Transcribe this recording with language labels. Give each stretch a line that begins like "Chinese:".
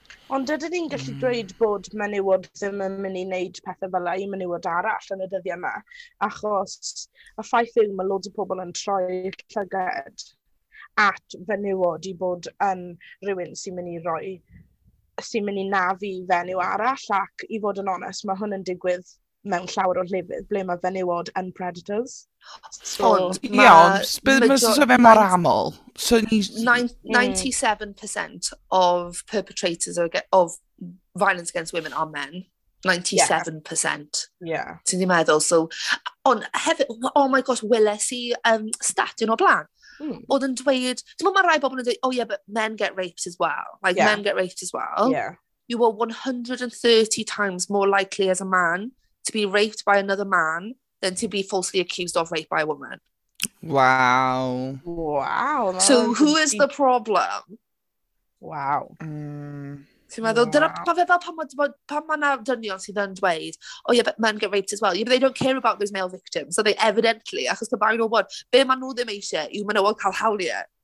Welsh: Ond ydyn ni'n gallu dweud bod menywod ddim yn mynd i wneud pethau fel ei menywod arall yn y dyddiau yma, achos y ffaith yw mae loads o bobl yn troi llygaid at fenywod i bod yn rhywun sy'n mynd i nafu fenyw arall, ac i fod yn onest, mae hwn yn digwydd mewn llawer o llefydd ble mae fenywod yn predators. Ond, mae'n sôn fe mor aml.
English: 97% of perpetrators of violence against women are men. 97%. Yeah.
Welsh: Ti'n ddim meddwl, so, ond hefyd, oh my gosh, weles i stat yn o blaen. Oedd yn dweud, dim ond mae rai bobl yn dweud,
English: oh yeah, but men get raped as well. Yeah. You were 130 times more likely as a man to be raped by another man than to be falsely accused of rape by a woman. Wow. Wow. So who is the problem? Wow.
Welsh: Ti'n meddwl, dyna fe fel pan mae'na dynion sydd yn dweud,
English: oh yeah, but men get raped as well. Yeah, but they don't care about those male victims.
Welsh: So they evidently, achos the bar o'r bod, be maen nhw ddim eisiau yw maen nhw yn cael hawliau.